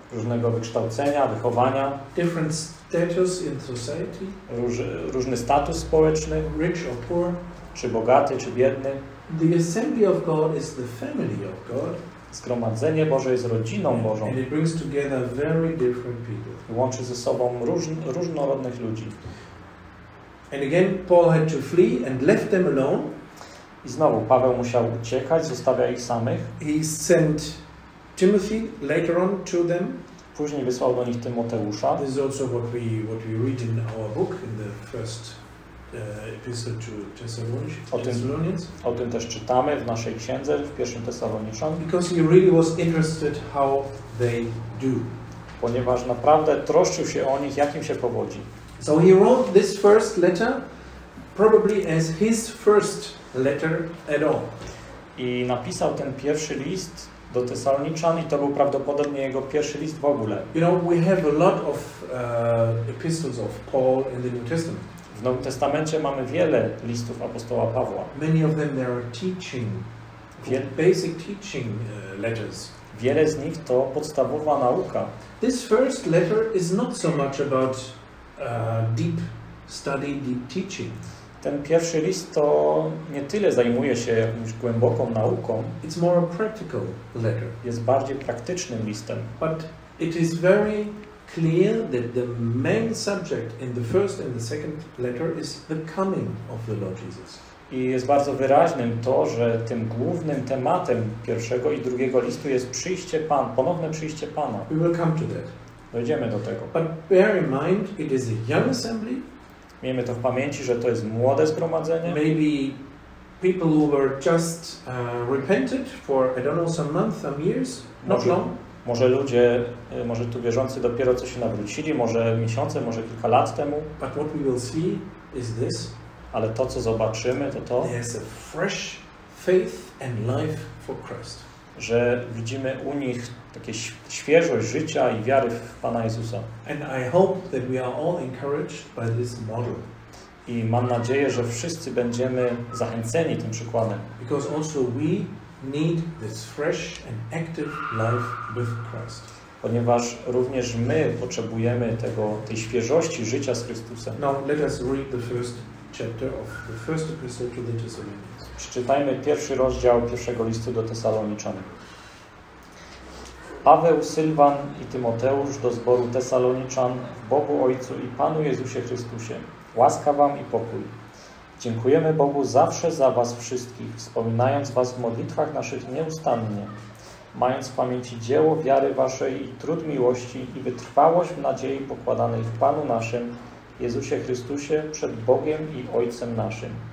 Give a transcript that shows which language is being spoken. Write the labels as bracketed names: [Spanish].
[Polish] różnego wykształcenia, wychowania, [English] different status in society, [Polish] różny status społeczny, [English] rich or poor, [Polish] czy bogaty, czy biedny. [English] The assembly of God is the family of God. [Polish] Zgromadzenie Boże jest rodziną Bożą. [English] And it brings together very different people. [Polish] Łączy ze sobą różnorodnych ludzi. [English] And again Paul had to flee and left them alone. [Polish] I znowu Paweł musiał uciekać, zostawia ich samych. [English] He sent Timothy later on to them. [Polish] Później wysłał do nich Tymoteusza. [English] This is also what we read in our book in the first epistle to Thessalonians. [Polish] O tym też czytamy w naszej księdze w 1 Tesaloniczan. [English] Because he really was interested how they do. [Polish] Ponieważ naprawdę troszczył się o nich, jak im się powodzi. [English] So he wrote this first letter probably as his first letter at all. [Polish] I napisał ten pierwszy list do Tesaloniczan i to był prawdopodobnie jego pierwszy list w ogóle. [English] You know, we have a lot of epistles of Paul in the New Testament. [Polish] W Nowym Testamencie mamy wiele listów apostoła Pawła. [English] Many of them are teaching, basic teaching letters. [Polish] Wiele z nich to podstawowa nauka. [English] This first letter is not so much about deep study, deep teaching. [Polish] Ten pierwszy list to nie tyle zajmuje się jakąś głęboką nauką. [English] It's more a practical letter. [Polish] Jest bardziej praktycznym listem. [English] But it is very clear that the main subject in the first and the second letter is the coming of the Lord Jesus. [Polish] I jest bardzo wyraźnym to, że tym głównym tematem pierwszego i drugiego listu jest ponowne przyjście Pana. [English] We will come to that. [Polish] Dojdziemy do tego. [English] But bear in mind, it is a young assembly. [Polish] Miejmy to w pamięci, że to jest młode zgromadzenie. [English] Maybe people who were just repented for, I don't know, some months, some years, not long. [Polish] Może ludzie, może tu wierzący dopiero co się nawrócili, może miesiące, może kilka lat temu. [English] But what we will see is this. [Polish] Ale to, co zobaczymy, to to. [English] There's a fresh faith and life for Christ. [Polish] Że widzimy u nich takie świeżość życia i wiary w Pana Jezusa. [English] And I hope that we are all encouraged by this model. [Polish] I mam nadzieję, że wszyscy będziemy zachęceni tym przykładem. [English] Because also we need this fresh and active life with Christ. [Polish] Ponieważ również my potrzebujemy tego, tej świeżości życia z Chrystusem. [English] Now let us read the first chapter of the first epistle to the Thessalonians. [Polish] Przeczytajmy pierwszy rozdział pierwszego listu do Tesaloniczan. Paweł, Sylwan i Tymoteusz do zboru Tesaloniczan w Bogu Ojcu i Panu Jezusie Chrystusie. Łaska wam i pokój. Dziękujemy Bogu zawsze za was wszystkich, wspominając was w modlitwach naszych nieustannie, mając w pamięci dzieło wiary waszej i trud miłości i wytrwałość w nadziei pokładanej w Panu naszym, Jezusie Chrystusie, przed Bogiem i Ojcem naszym.